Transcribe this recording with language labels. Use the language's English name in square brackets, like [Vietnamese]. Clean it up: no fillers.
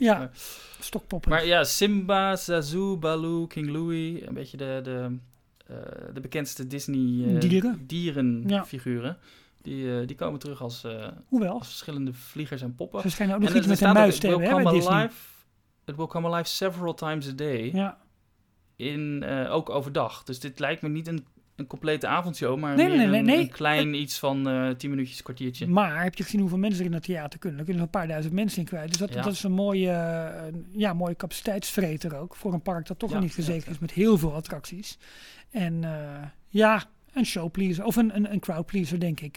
[Dutch] Ja, maar, stokpoppen. Maar ja, Simba, Zazu, Baloo, King Louie. Een beetje de bekendste Disney dierenfiguren. Ja. Die komen terug als, hoewel, als verschillende vliegers en poppen. Ze schijnen ook nog iets met een muis te hebben, hè, bij Disney. [English] It will come alive several times a day. [Dutch] Ja. In, ook overdag. Dus dit lijkt me niet een een complete avondshow, maar een klein iets van 10 minuutjes, kwartiertje. Maar heb je gezien hoeveel mensen er in het theater kunnen? Er kunnen er een paar duizend mensen in kwijt. Dus dat is een mooie capaciteitsvreter ook. Voor een park dat toch niet verzekerd is met heel veel attracties. En een showpleaser of een crowdpleaser, denk ik.